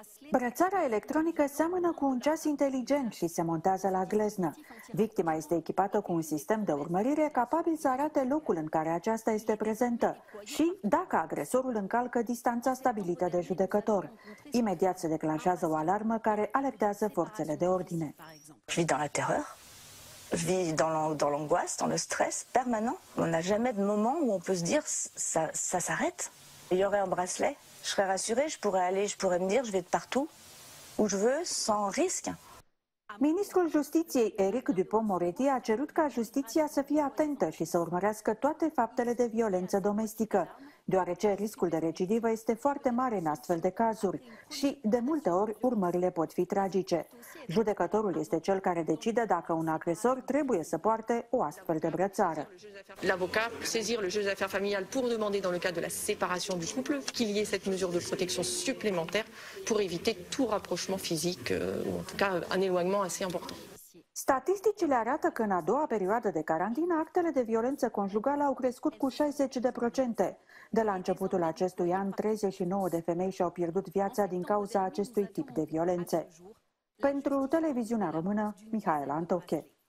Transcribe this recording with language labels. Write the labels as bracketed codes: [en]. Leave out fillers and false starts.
[ro] Brățara electronică seamănă cu un ceas inteligent și se montează la gleznă. Victima este echipată cu un sistem de urmărire capabil să arate locul în care aceasta este prezentă și dacă agresorul încalcă distanța stabilită de judecător. Imediat se declanșează o alarmă care alertează forțele de ordine. [fr] Vis dans la terreur, vis dans l'angoisse, dans le stress permanent. On n'a jamais de moment où on peut se dire ça s'arrête. Il y aurait un bracelet. Je serais rassurée, je pourrais me dire, je vais de partout où je veux, sans risque. [ro] Ministrul Justiției, Eric Dupond-Moretti, a cerut ca justiția să fie atentă și să urmărească toate faptele de violență domestică, deoarece riscul de recidivă este foarte mare în astfel de cazuri și, de multe ori, urmările pot fi tragice. Judecătorul este cel care decide dacă un agresor trebuie să poarte o astfel de brățară. [fr] L'avocat peut saisir le juge d'affaires familiales pour demander, dans le cas de la séparation du couple, qu'il y ait cette mesure de protection supplémentaire pour éviter tout rapprochement physique, ou en tout cas un éloignement assez important. [ro] Statisticile arată că în a doua perioadă de carantină, actele de violență conjugală au crescut cu 60%. De la începutul acestui an, 39 de femei și-au pierdut viața din cauza acestui tip de violențe. Pentru Televiziunea Română, Mihaela Antoche.